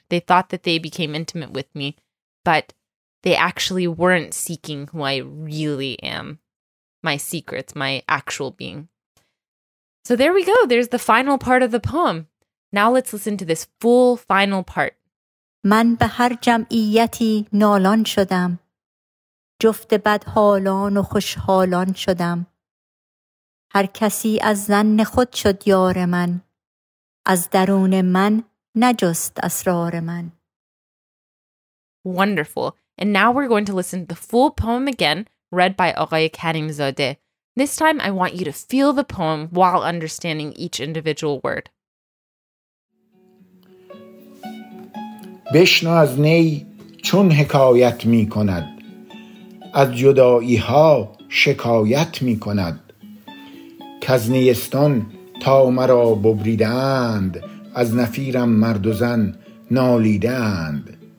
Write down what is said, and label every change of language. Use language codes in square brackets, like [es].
[en] They thought that they became intimate with me, but they actually weren't seeking who I really am, my secrets, my actual being. So there we go. There's the final part of the poem. Now let's listen to this full final part. [fa] من به هر جمعیتی نالان شدم. جفت بد حالان و خوش حالان شدم. هر کسی از ظن خود شد یار من. از درون من نجست اسرار من. [en] Wonderful. And now we're going to listen to the full poem again, read by آقای Karimzadeh. This time I want you to feel the poem while understanding each individual word. [fa] بشنو از نی چون حکایت می کند. از جدائی ها شکایت می کند. کز نیستان تا مرا ببریدند، از نفیرم مرد و زن نالیدند.